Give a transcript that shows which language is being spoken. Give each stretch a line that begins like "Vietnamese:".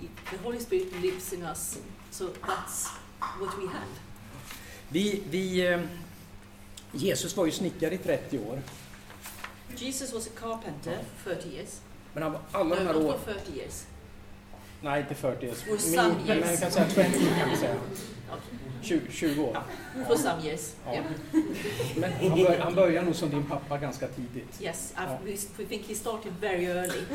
English: The Holy Spirit lives in us. So that's what we have.
Swedish: Jesus var ju snickare i 30 år.
English: Jesus was a carpenter 30 years.
Swedish: Men han var alla de här åren.
English: 30 years.
Swedish: Nej, inte 40 years.
English: For some years.
Swedish: Men jag kan säga 20 kan vi säga. Oh, 20 år.
English: For some years. Ja.
Swedish: Men han började nog som din pappa ganska tidigt.
English: Yes, we think he started very early.